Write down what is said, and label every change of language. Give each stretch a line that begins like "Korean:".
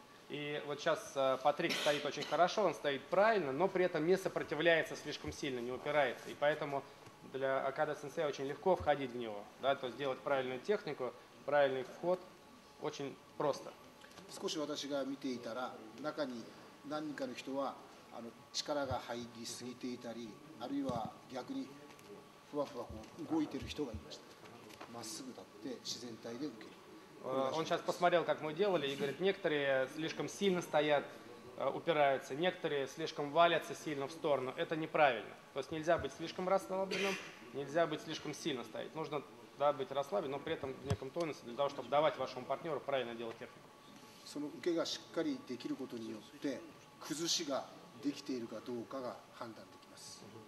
Russian: И вот сейчас Патрик стоит очень хорошо, он стоит правильно, но при этом не сопротивляется слишком сильно, не упирается. И поэтому для Акада-сенсея очень легко входить в него, да, то есть делать правильную технику, правильный вход. Очень просто.
Japanese: 少し私が見ていたら、中に何人かの人は力が入りすぎていたり、あるいは逆にふわふわこう動いている人がいました。まっすぐ立って自然体で受ける。
Russian: Он сейчас посмотрел, как мы делали, и говорит, некоторые слишком сильно стоят, упираются, некоторые слишком валятся сильно в сторону. Это неправильно. То есть нельзя быть слишком расслабленным, нельзя быть слишком сильно стоять. Нужно да, быть расслаблен, но при этом в неком тонусе, для того, чтобы давать вашему партнеру правильно делать технику.
Japanese: その受けがしっかりできることによって崩しができているかどうかが判断できます。